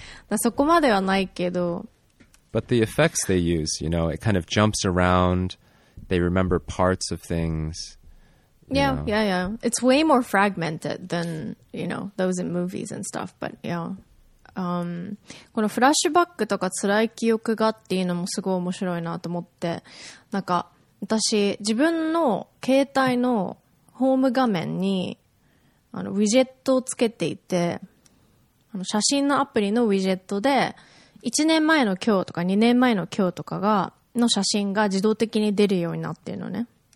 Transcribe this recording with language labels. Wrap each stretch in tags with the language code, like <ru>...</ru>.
<ja>だそこまではないけど。</ja> <en>But the effects they use, you know, it kind of jumps around. They remember parts of things. Yeah, know. Yeah, yeah. It's way more fragmented than, you know, those in movies and stuff. But yeah.</en> <ja>このフラッシュバックとか辛い記憶がっていうのもすごい面白いなと思って。なんか、私、自分の携帯のホーム画面にあのウィジェットをつけていて、あの写真のアプリのウィジェットで1年前の今日とか2年前の今日とかがの写真が自動的に出るようになっているのね、</ja>